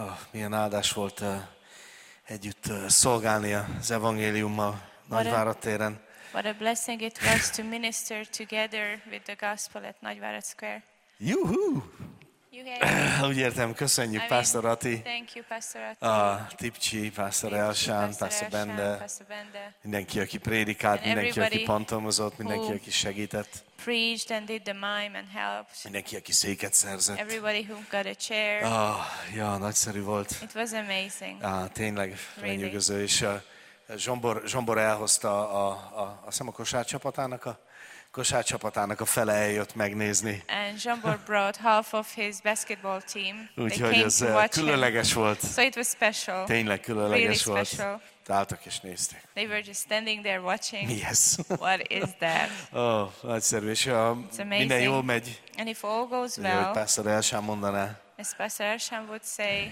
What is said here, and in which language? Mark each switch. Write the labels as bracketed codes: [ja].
[hu] Milyen áldás volt együtt szolgálni az evangéliummal Nagyvárad téren. [en] What a blessing it was to minister together with the gospel at Nagyvárad Square. Juhu! [hu] Úgy értem, köszönjük Pásztor Ati. [en] Thank you, Pastor Ati. [hu] Tipcsi, Pásztor Elsán, Pásztor Bende. Mindenki, aki prédikált, mindenki, aki pantomozott, mindenki, aki segített. [en] Preached and did the mime and helped. [hu] Mindenki, aki széket szerzett. [en] Everybody who got a chair. [hu] Nagyszerű volt. [en] It was amazing. [hu] Tényleg, lenyűgöző. [en] Really. [hu] És Zsombor elhozta a kosárcsapatának a kosárcsapatának a fele eljött megnézni. [en] And Zsombor brought half of his basketball team. [hu] Úgyhogy ez különleges volt. [en] So it was special. [hu] Tényleg különleges volt. [en] Really special. [hu] Táltak és néztek. [en] They were just standing there watching. [hu] Mi ez? [en] What is that? [hu] Nagyszerű. És minden jól megy. [en] And if all goes well. [hu] Jó, Pásztor Elsán mondaná. [en] As Pastor Elsán would say.